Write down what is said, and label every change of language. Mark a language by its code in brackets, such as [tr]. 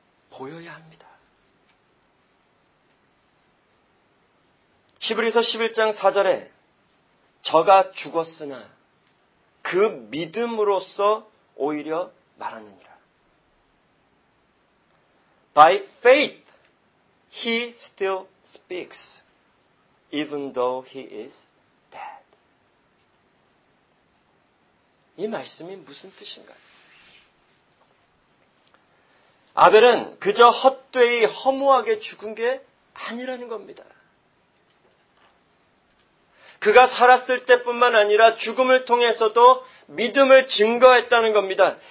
[ko] 보여야 합니다. 히브리서 11장 4절에 저가 죽었으나 그 믿음으로서 오히려 말하느니라. [en] By faith, he still speaks, even though he is dead. [ko] 이 말씀이 무슨 뜻인가요? 아벨은 그저 헛되이 허무하게 죽은 게 아니라는 겁니다. 그가 살았을 때뿐만 아니라 죽음을 통해서도 믿음을 증거했다는 겁니다.